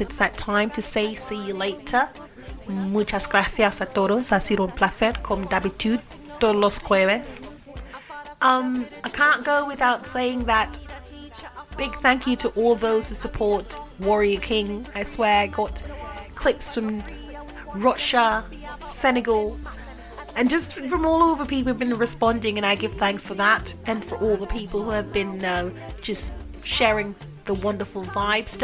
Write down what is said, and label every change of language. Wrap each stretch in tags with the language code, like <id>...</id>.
<en>It's that time to say see you later.</en> <es>Muchas gracias a todos. Ha sido un placer, como</es> <fr>d'habitude,</fr> <es>todos los jueves.</es> <en>I can't go without saying that big thank you to all those who support Warrior King. I swear, I got clips from Russia, Senegal, and just from all over, people have been responding, and I give thanks for that, and for all the people who have been just sharing the wonderful vibes.</en>